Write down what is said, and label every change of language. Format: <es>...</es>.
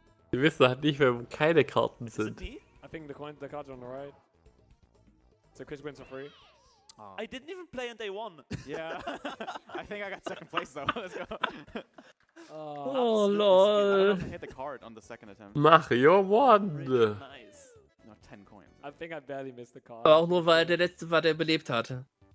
<de>Sie wissen halt nicht, wenn keine Karten sind.</de> <en>I think the cards are on the right. So Chris wins for free. Oh. I didn't even play and they won. Yeah. I think I got second place though. Let's go. Oh, lol. I hit the card on the second attempt. Mario won. Really nice. No, 10 coins. I think I barely missed the card.</en> <de>Aber auch nur, weil der letzte war, der überlebt hatte.</de>